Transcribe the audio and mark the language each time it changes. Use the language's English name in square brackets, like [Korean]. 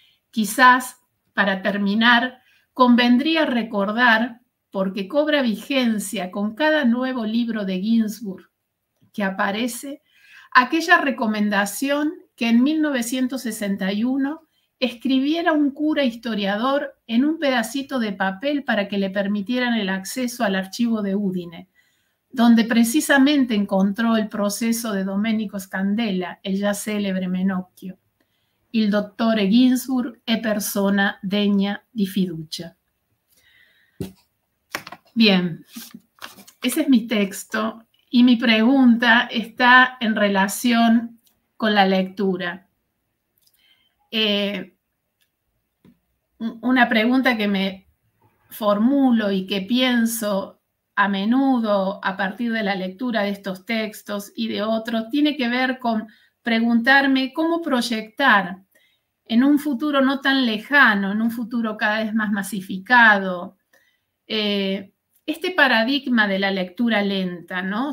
[Spanish] Quizás, para terminar, convendría recordar, porque cobra vigencia con cada nuevo libro de Ginzburg que aparece, aquella recomendación que en 1961 escribiera un cura historiador en un pedacito de papel para que le permitieran el acceso al archivo de Udine, donde precisamente encontró el proceso de Domenico Scandella, el ya célebre Menocchio. [Italian] Il dottore Ginzburg è persona degna di fiducia. [Spanish] Bien, ese es mi texto y mi pregunta está en relación con la lectura. Una pregunta que me formulo y que pienso a menudo a partir de la lectura de estos textos y de otros, tiene que ver con preguntarme cómo proyectar en un futuro no tan lejano, en un futuro cada vez más masificado, este paradigma de la lectura lenta, ¿no?